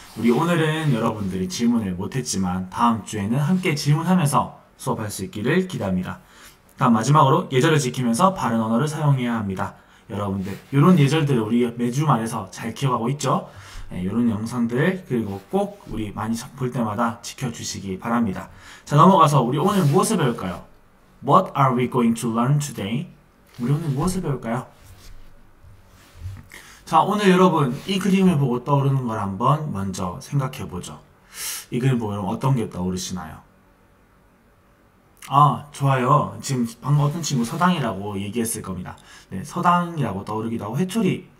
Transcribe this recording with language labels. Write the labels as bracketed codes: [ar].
[ko] 우리 오늘은 여러분들이 질문을 못했지만 다음 주에는 함께 질문하면서 수업할 수 있기를 기대합니다. 다음 마지막으로 예절을 지키면서 바른 언어를 사용해야 합니다. 여러분들, 이런 예절들을 우리 매주 말해서 잘 기억하고 있죠? 이런 영상들 그리고 꼭 우리 많이 볼 때마다 지켜주시기 바랍니다. 자, 넘어가서 우리 오늘 무엇을 배울까요? [en] What are we going to learn today? [ko] 우리 오늘 무엇을 배울까요? 자, 오늘 여러분 이 그림을 보고 떠오르는 걸 한번 먼저 생각해 보죠. 이 그림 보면 어떤 게 떠오르시나요? 아, 좋아요. 지금 방금 어떤 친구 서당이라고 얘기했을 겁니다. 네, 서당이라고 떠오르기도 하고 회초리.